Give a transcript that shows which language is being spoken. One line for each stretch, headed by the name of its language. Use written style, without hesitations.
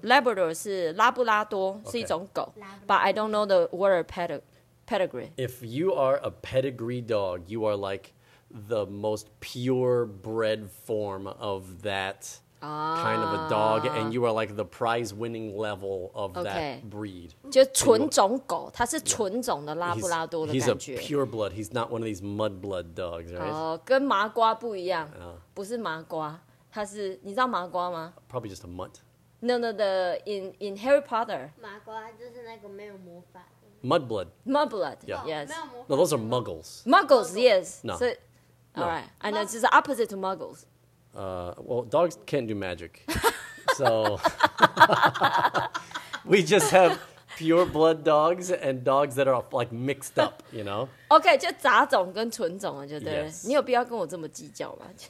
English: Labrador
Chinese: 是拉布拉多，是一种狗。
English: But I don't know the word pedigree. pedigree. If you are a pedigree dog, you are like the most purebred form of that kind of a dog, and you are like the prize-winning level of that breed.
Chinese: 就纯种狗，它是纯种的拉布拉多的感觉。
English: He's a pure blood. He's not one of these mud blood dogs, right?
Chinese: 跟麻瓜不一样，不是麻瓜，它是你知道麻瓜吗
English: ？Probably just a mutt. No. In Harry Potter,
Chinese: 麻瓜就是那个没有魔法。
English: Mud blood. Yeah. Yes. No, those are muggles. Muggles. Yes. No. So, all right. And that's just the opposite to muggles. Well, dogs can't do magic. So, we just have pure blood dogs and dogs that are like mixed up, you know?
Chinese: Okay, 就杂种跟纯种了，就对了。
English: Yes.
Chinese: 你有必要跟我这么计较吗？